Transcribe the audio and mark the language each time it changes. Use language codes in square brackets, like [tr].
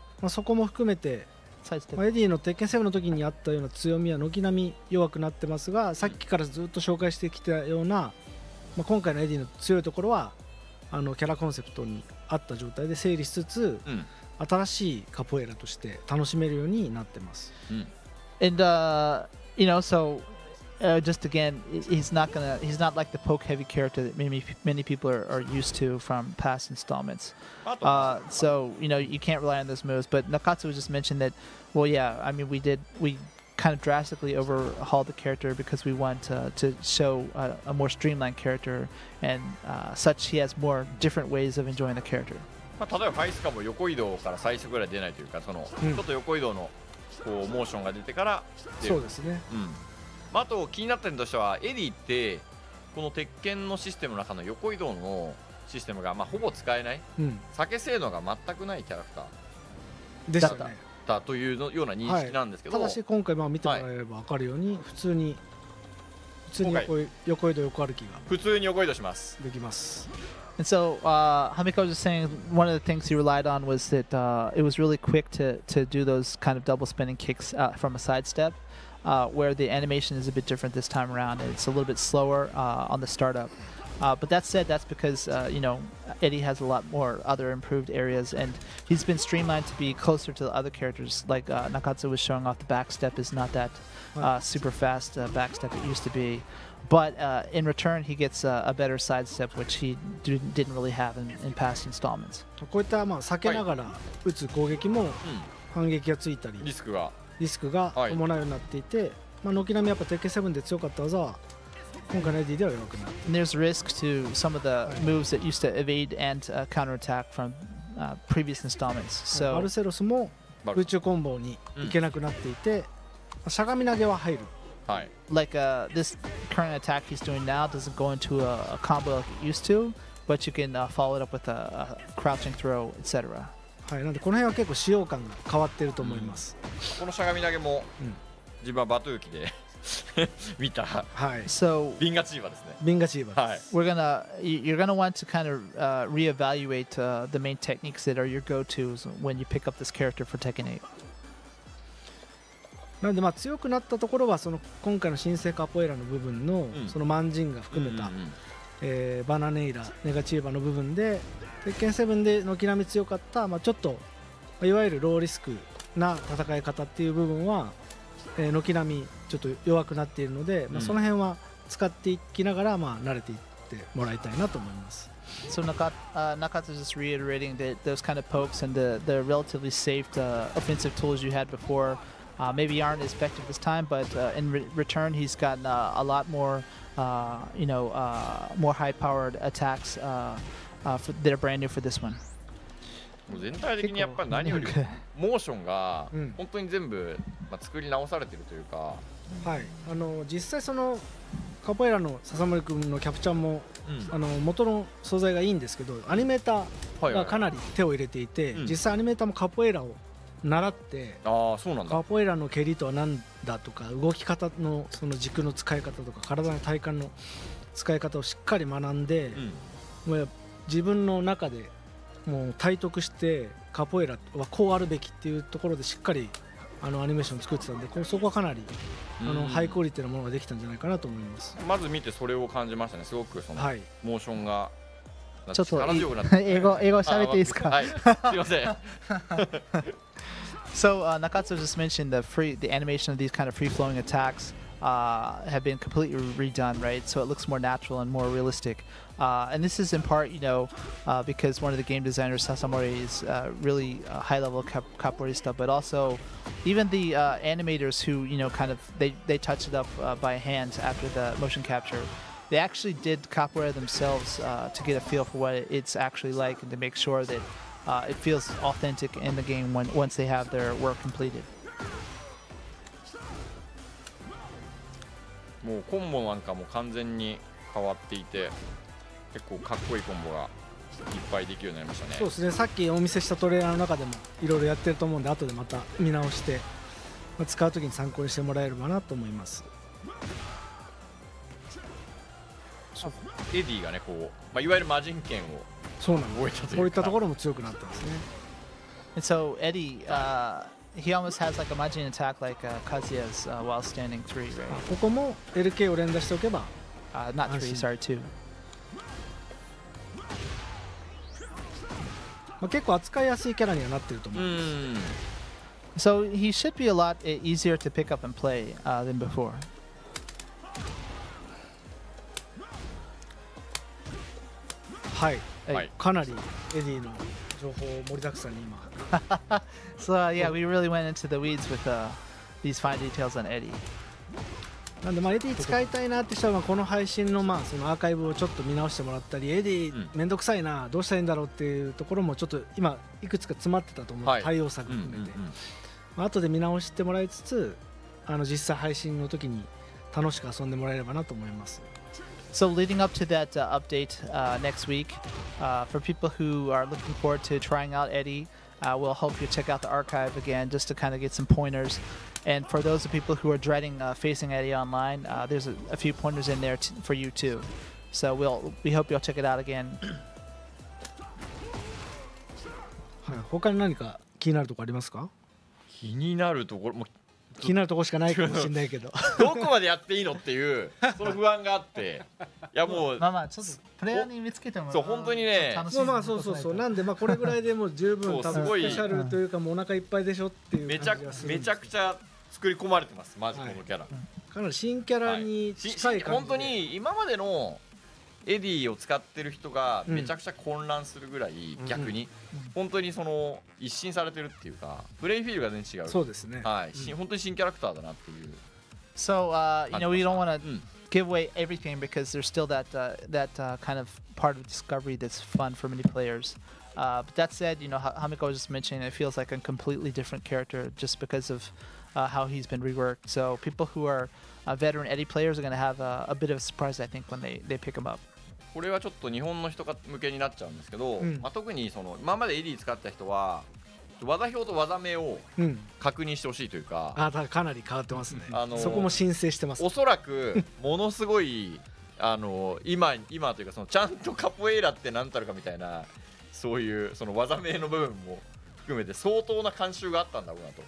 [ja] まあ、そこも含めて、まあ、エディの鉄拳セブンの時にあったような強みは軒並み弱くなってますが、さっきからずっと紹介してきたような、まあ、今回のエディの強いところはあのキャラコンセプトに合った状態で整理しつつ、うん、新しいカポエラとして楽しめるようになってます、うん、 [en] And you know soJust again, he's not like the poke heavy character that many people are used to from past installments. So, you know, you can't rely on those moves. But Nakatsu just mentioned that, well, yeah, I mean, we kind of drastically overhauled the character because we want to show a more streamlined character and such he has more different ways of enjoying the character. [ja] まあ、例えばファイスカも横移動から最初ぐらい出ないというか、その、ちょっと横移動のこうモーションが出てから出る。そうですね。うん。あと気になった点としてはエディってこの鉄拳のシステムの中の横移動のシステムがまあほぼ使えない、うん、避け性能が全くないキャラクターでしたね。だというのような認識なんですけど、はい、ただし今回まあ見てもらえれば分かるように、はい、普通に 横移動横歩きが普通に横移動しますできます。 [en] And so Hameko was just saying one of the things he relied on was that it was really quick to do those kind of double spinning kicks from a sidestepwhere the animation is a bit different this time around. It's a little bit slower on the startup. But that said, that's because, you know, Eddie has a lot more other improved areas and he's been streamlined to be closer to the other characters. Like Nakatsu was showing off the backstep is not that super fast backstep it used to be. But in return, he gets a better sidestep, which he didn't really have in past installments. [ja] こういった、まあ、避けながら打つ攻撃も反撃がついたり。リスクがリスクが伴うようになっていて、はい、まあ、軒並みやっぱ鉄拳7で強かった技は今回のエディでは弱くなる。 [en] And there's risk to some of the moves that used to evade and counterattack from previous installments. So [ja] バルセロスも宇宙コンボに行けなくなっていて、うん、しゃがみ投げは入る。はい、 [en] like this current attack he's doing now doesn't go into a combo like it used to, but you can follow it up with a crouching throw, etc. [ja] はい、なんでこの辺は結構使用感が変わってると思います、うん、このしゃがみ投げも、うん、自分はバトゥーキで見た。はい。 [en] So, [ja] ビンガチーバですね。ビンガチーバ。はい。 [en] We're gonna, you're gonna want to kind of reevaluate the main techniques that are your go-tos when you pick up this character for Tekken [ja] 8. なんでまあ強くなったところはその今回の新生カポエラの部分の、うん、そのマンジンが含めた、うんうんうんバナネイラ、ネガチーバの部分で、鉄拳7で軒並み強かった、まあ、ちょっと、まあ、いわゆるローリスクな戦い方っていう部分は、軒並みちょっと弱くなっているので、まあ、その辺は使っていきながら、まあ、慣れていってもらいたいなと思います。 [en] So Nakata is just reiterating that those kind of pokes and the relatively safe offensive tools you had before maybe aren't as effective this time, but in return he's gotten a lot more, you know, more high powered attacks that are brand new for this one. [ja] 全体的にやっぱり何よりモーションが本当に全部作り直されてるというか、うん、はい、あの実際そのカポエラの笹森くんのキャプチャーも、うん、あの元の素材がいいんですけど、アニメーターがかなり手を入れていて、はいはいはい、実際アニメーターもカポエラを習って、うん、ああそうなんだ、カポエラの蹴りとは何だとか動き方のその軸の使い方とか体の体幹の使い方をしっかり学んで、うん、もう自分の中でもう体得してカポエラはこうあるべきっていうところでしっかりあのアニメーションを作ってたんで、そこはかなりあのハイクオリティなものができたんじゃないかなと思います。まず見てそれを感じましたね。すごくそのモーションが、はい、ちょっと英語喋っていいですか、はい、すいません [en] So Nakatsu just mentioned the animation of these kind of free flowing attacks have been completely redone, right? So it looks more natural and more realisticand this is in part, you know, because one of the game designers, Sasamori, is really a high-level capoeirista, but also even the animators who, you know, kind of, they touch it up by hand after the motion capture. They actually did capoeira themselves to get a feel for what it's actually like and to make sure that it feels authentic in the game once they have their work completed. [ja] もうコンボなんかも完全に変わっていて、結構かっこいいコンボがいっぱいできるようになりましたね。そうですね、さっきお見せしたトレーラーの中でもいろいろやってると思うんで、後でまた見直して、まあ、使うときに参考にしてもらえればなと思います。エディがね、こう、まあ、いわゆる魔人拳を覚えたというか、そうこういったところも強くなったんですね。 [en] And so Eddie、he almost has like a Majin attack like Kazuya's while standing three, right? [ja] ここも LK を連打しておけば、 [en] not three, sorry, two. [ja] まあ結構扱いやすいキャラにはなってると思います。 Mm. [en] So he should be a lot easier to pick up and play than before. [ja] はい、かなりエディの情報盛りだくさんに今。 [en] So yeah, we really went into the weeds with these fine details on Eddie. [ja] なんでまあエディ使いたいなって人はこの配信のまあそのアーカイブをちょっと見直してもらったり、エディめんどくさいな、どうしたらいいんだろうっていうところもちょっと今いくつか詰まってたと思う、はい、対応策含めて、まあ後で見直してもらいつつ、あの実際配信の時に楽しく遊んでもらえればなと思います。 [en] So leading up to that update next week, for people who are looking forward to trying out Eddie, we'll hope you check out the archive again just to kind of get some pointers. And for those of people who are dreading facing Eddie online, there's a few pointers in there for you too. So we hope you'll check it out again. [ja] 他に何か気になるとこありますか？気になるところも気になるところしかないかもしれないけど、どこまでやっていいのっていうその不安があって、いやもうまあまあちょっとプレイヤーに見つけてもそう本当にね、まあまあそうそうそう、なんでまあこれぐらいでもう十分多分スペシャルというかもうお腹いっぱいでしょっていう感じがするんですめちゃくちゃ作り込まれてますマジこのキャラ、はい、かなり新キャラに近い感じで、本当に今までのエディを使ってる人がめちゃくちゃ混乱するぐらい、逆に本当にその一新されてるっていうか、プレイフィールが全然違う。そうですね、はい、本当に新キャラクターだなっていう。 [en] So you know, we don't want to give away everything because there's still that kind of part of discovery that's fun for many players. But that said, you know, Hamiko was just mentioning it feels like a completely different character just because of how he's been reworked. So people who areveteran Eddie players are going to have a bit of a surprise, I think, when they pick him up. [ja] これはちょっと日本の人向けになっちゃうんですけど、うん、まあ、特にその今までエディ使った人はっと技表と技名を確認してほしいというか、うん、あだ かなり変わってますね、そこも申請してます。おそらくものすごい今というかそのちゃんとカポエイラって何たるかみたいな、そういうその技名の部分も含めて相当な慣習があったんだろうなと、